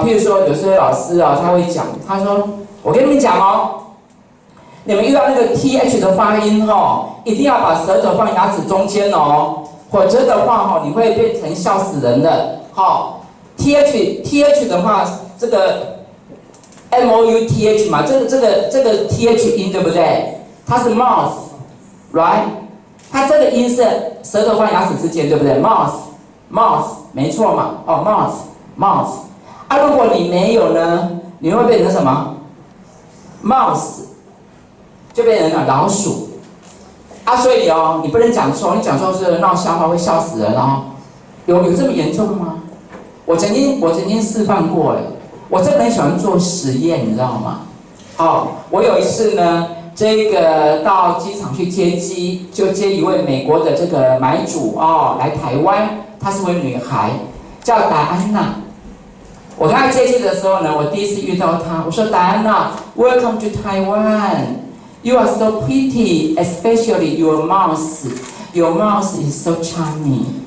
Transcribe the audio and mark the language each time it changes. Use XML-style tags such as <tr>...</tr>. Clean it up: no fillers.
<zh>譬如说有时候老师啊，他会讲，他说我跟你们讲哦，你们遇到那个 TH 的发音哦，一定要把舌头放牙齿中间哦，否则的话哦，你会变成笑死人的、哦、TH 的话，这个mouth 嘛，这个 th 音对不对？它是 mouth， right？它这个音是舌头和牙齿之间，对不对？mouth 没错嘛，哦 mouth 啊，如果你没有呢，你会变成什么？ mouse 就变成了老鼠啊，所以哦，你不能讲错，你讲错是闹笑话，会笑死人哦。有这么严重吗？我曾经示范过哎。我真的很喜欢做实验，你知道吗？好、哦，我有一次呢，这个到机场去接机，就接一位美国的这个买主哦，来台湾，她是位女孩，叫戴安娜。我跟她接机的时候呢，我第一次遇到她，我说戴安娜 ，</zh> <en>Welcome to Taiwan. You are so pretty, especially your mouth. Your mouth is so charming.</en>